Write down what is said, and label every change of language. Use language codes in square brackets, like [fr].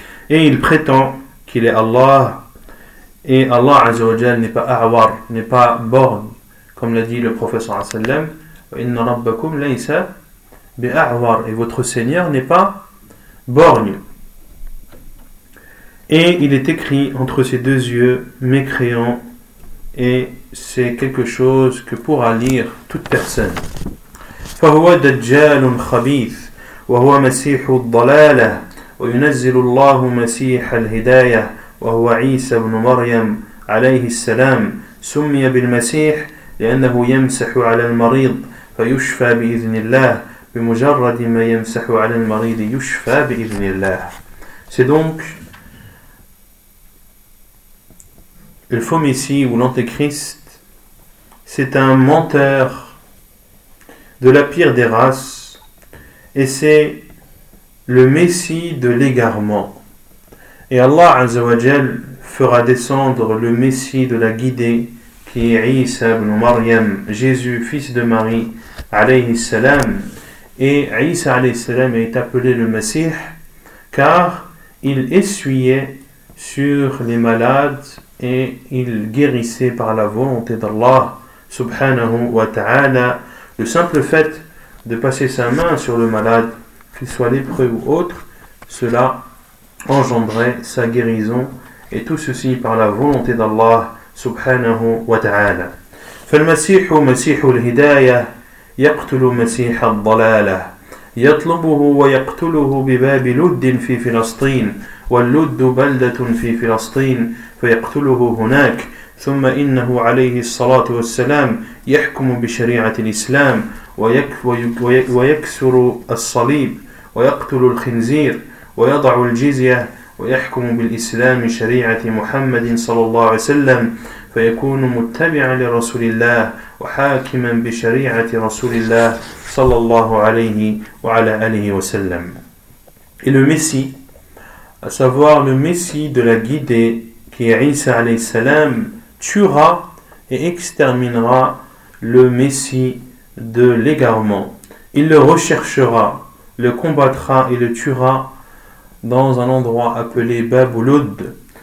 [fr] Et il prétend qu'il est Allah, et Allah azawajal n'est pas awar, n'est pas borné, comme l'a dit le prophète sallam, [ar] inna rabbakum laysa bi'awar, [fr] et votre Seigneur n'est pas borné. Et il est écrit entre ses deux yeux mécréant, et c'est quelque chose que pourra lire toute personne. [ar] فهو دجال خبيث وهو مسيح الضلالة وينزل الله مسيح الهداية وهو عيسى بن مريم عليه السلام سمي بالمسيح لأنه يمسح على المريض فيشفى بإذن الله بمجرد ما يمسح على المريض يشفى بإذن الله. [fr] C'est donc le faux messie ou l'antéchrist c'est un menteur de la pire des races et c'est le messie de l'égarement. Et Allah Azza wa Jal fera descendre le messie de la guidée qui est Isa ibn Maryam, Jésus, fils de Marie, alayhi salam. Et Isa alayhi salam est appelé le Messie car il essuyait sur les malades et il guérissait par la volonté d'Allah subhanahu wa ta'ala. Le simple fait de passer sa main sur le malade, qu'il soit lépreux ou autre, cela engendrait sa guérison, et tout ceci par la volonté d'Allah subhanahu wa ta'ala. [ar] فالمسيح مسيح الهداية يقتل مسيح الضلالة يطلبه ويقتله بباب لد في فلسطين واللد بلدة في فلسطين فيقتله هناك ثم إنه عليه الصلاة والسلام يحكم بشريعة الإسلام ويكسر الصليب ويقتل الخنزير ويضع الجزية ويحكم بالإسلام شريعة محمد صلى الله عليه وسلم فيكون متبعا لرسول الله وحاكما بشريعة رسول الله صلى الله عليه وعلى آله وسلم. [fr] Et le Messie, à savoir le Messie de la guidée qui est Isa alayhi salam, tuera et exterminera le Messie de l'égarement. Il le recherchera, le combattra et le tuera dans un endroit appelé Babulud.